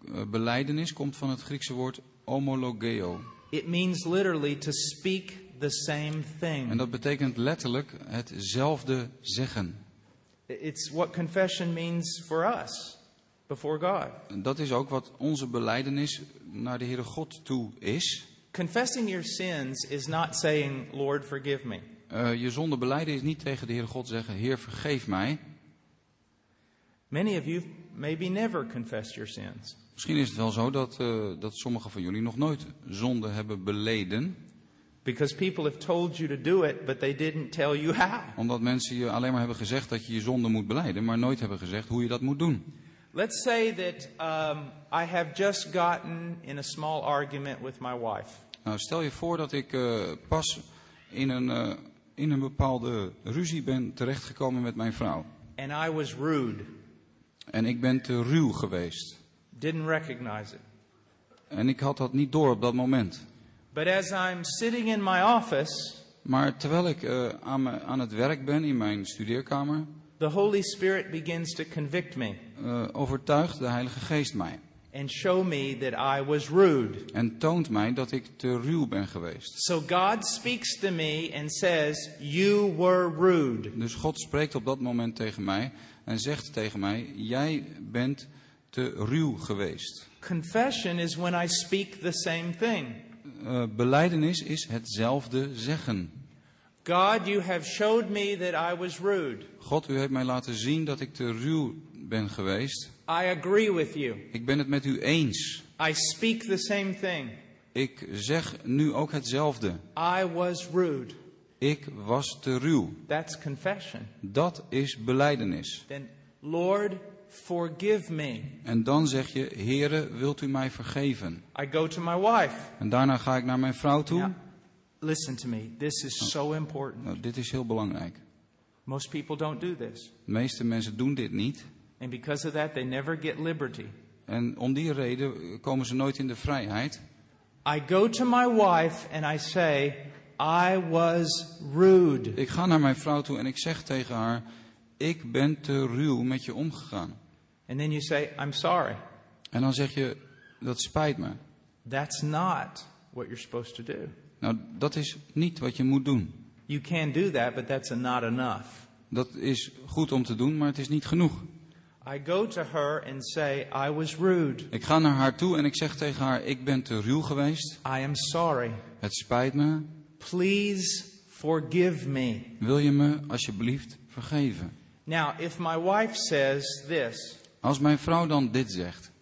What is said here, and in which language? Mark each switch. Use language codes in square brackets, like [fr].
[nl] Belijdenis komt van het Griekse woord homologeo. [en] It means literally to speak the same thing. [nl] En dat betekent letterlijk hetzelfde zeggen. [en] It's what confession means for us before God. [nl] Dat is ook wat onze belijdenis naar de Heere God toe is. [en] Confessing your sins is not saying, Lord, forgive me. [nl] Je zonde belijden is niet tegen de Heere God zeggen, Heer, vergeef mij. [en] Many of you maybe never confessed your sins. [nl] Misschien is het wel zo dat sommigen van jullie nog nooit zonde hebben beleden. [en] Because people have told you to do it, but they didn't tell you how. [nl] Omdat mensen je alleen maar hebben gezegd dat je je zonde moet beleiden, maar nooit hebben gezegd hoe je dat moet doen. [en] Let's say that I have just gotten in a small argument with my wife. [nl] Nou, stel je voor dat ik pas in een bepaalde ruzie ben terechtgekomen met mijn vrouw. [en] And I was rude. [nl] En ik ben te ruw geweest. [en] Didn't recognize it. [nl] En ik had dat niet door op dat moment. [en] But as I'm sitting in my office, [nl] maar terwijl ik aan het werk ben in mijn studeerkamer, [en] the Holy Spirit begins to convict me. [nl] Overtuigt de Heilige Geest mij. [en] And show me that I was rude. [nl] En toont mij dat ik te ruw ben geweest. [en] So God speaks to me and says, "You were rude." [nl] Dus God spreekt op dat moment tegen mij en zegt tegen mij, jij bent te ruw geweest. [en] Confession is when I speak the same thing. [nl] Belijdenis is hetzelfde zeggen. [en] God, you have showed me that I was rude. [nl] God, u heeft mij laten zien dat ik te ruw ben geweest. [en] I agree with you. [nl] Ik ben het met u eens. [en] I speak the same thing. [nl] Ik zeg nu ook hetzelfde. [en] I was rude. [nl] Ik was te ruw. [en] That's confession. [nl] Dat is belijdenis. [en] Then, Lord, forgive me. [nl] En dan zeg je, Heere, wilt u mij vergeven? [en] I go to my wife. [nl] En daarna ga ik naar mijn vrouw toe. [en] Now, listen to me. This is so important. [nl] Nou, dit is heel belangrijk. [en] Most people don't do this. [nl] De meeste mensen doen dit niet. [en] And because of that, they never get liberty. [nl] En om die reden komen ze nooit in de vrijheid. [en] I go to my wife and I say, I was rude. [nl] Ik ga naar mijn vrouw toe en ik zeg tegen haar, ik ben te ruw met je omgegaan. [en] And then you say, I'm sorry. [nl] En dan zeg je, dat spijt me. [en] That's not what you're supposed to do. [nl] Nou, dat is niet wat je moet doen. [en] You can do that, but that's not enough. [nl] Dat is goed om te doen, maar het is niet genoeg. [en] I go to her and say, I was rude. [nl] Ik ga naar haar toe en ik zeg tegen haar, ik ben te ruw geweest. [en] I am sorry. [nl] Het spijt me. [en] Please forgive me. [nl] Wil je me alsjeblieft vergeven? [en] Now, if my wife says this, [nl] als mijn vrouw dan dit zegt.